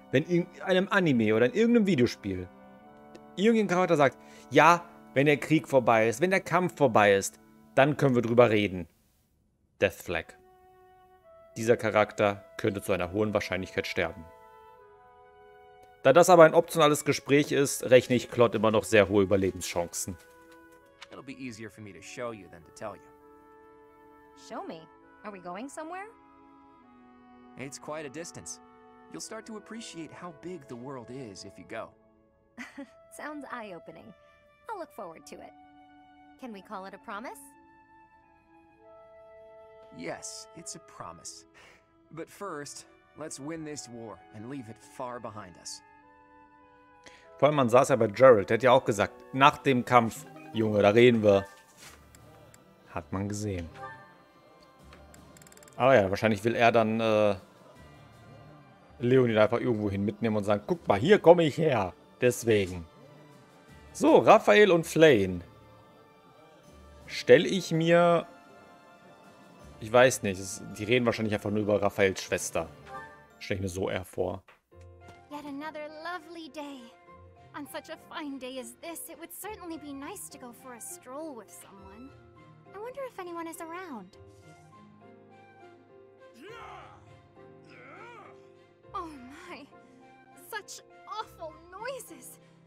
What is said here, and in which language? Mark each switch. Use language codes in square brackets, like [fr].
[de] Wenn in einem Anime oder in irgendeinem Videospiel irgendein Charakter sagt, ja, wenn der Krieg vorbei ist, wenn der Kampf vorbei ist, dann können wir drüber reden. Death Flag. Dieser Charakter könnte zu einer hohen Wahrscheinlichkeit sterben. Da das aber ein optionales Gespräch ist, rechne ich Claude immer noch sehr hohe Überlebenschancen. [en] It'll be easier for me to show you than to tell you. Show me? Are we going somewhere? It's quite a distance. You'll start to appreciate how big the world is if you go. Sounds eye-opening. I'll look forward to it. Can we call it a promise? Yes, it's a promise. But first, let's win this war and leave it far behind us. [de] Vor allem, man saß ja bei Geralt, der hat ja auch gesagt, nach dem Kampf, Junge, da reden wir. Hat man gesehen. Aber ja, wahrscheinlich will er dann Leonid einfach irgendwo hin mitnehmen und sagen, guck mal, hier komme ich her. Deswegen. So, Raphael und Flayn. Stell ich mir... Ich weiß nicht, die reden wahrscheinlich einfach nur über Raphaels Schwester. Stell ich mir so eher vor. [en] Yet another lovely day. On such a fine day as this, it would certainly be nice to go for a stroll with someone. I wonder if anyone is around. Oh my, such awful noises.